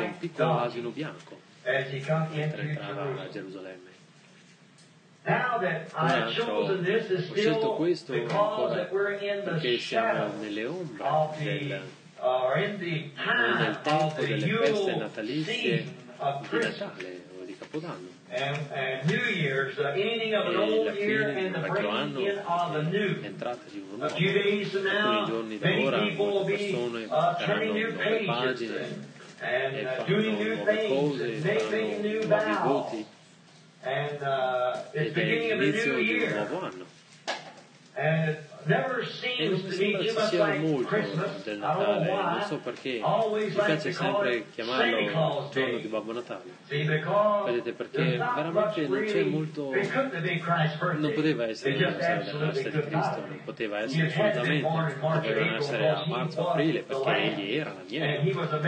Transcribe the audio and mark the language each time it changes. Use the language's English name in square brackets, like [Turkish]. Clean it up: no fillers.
[Italian] un piccolo asino bianco mentre entrava a Gerusalemme. Ora ho scelto questo ancora perché siamo nelle ombre del, nel tempo delle feste natalizie di Natale o di Capodanno. [English] And New Year's, the ending of an old year and the bringing in of the new. [Italian] Entrata di un [English] nuovo. A few days from now, many people will be turning new pages and doing new things and making new vows. And it's beginning of a new year. And it never seems to me just like Christmas. [Italian] Del Natale. Non so perché. Mi piace sempre chiamarlo giorno di Babbo Natale. Vedete, perché veramente non c'è molto. Non poteva essere il giorno della nascita di Cristo. Non poteva essere assolutamente. Doveva essere a marzo, aprile, perché egli era l'agnello.